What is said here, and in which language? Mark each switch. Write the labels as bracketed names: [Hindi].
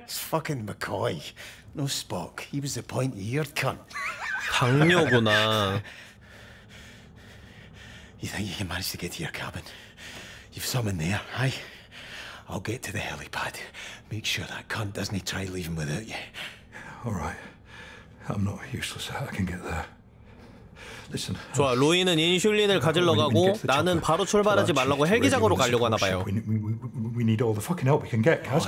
[English] It's fucking McCoy. No Spock. He was the pointy-eared cunt. [Korean] 당뇨구나. [English] You think you can manage to get to your cabin? You've someone there, aye? I'll get to the helipad. Make sure that cunt doesn't try leaving without you. All right. I'm not useless. I can get there. [Korean] 좋아, 로이는 인슐린을 가지러 가고 나는 바로 출발하지 말라고 헬기장으로 가려고 하나 봐요. [English] We need all the fucking help we can get, guys.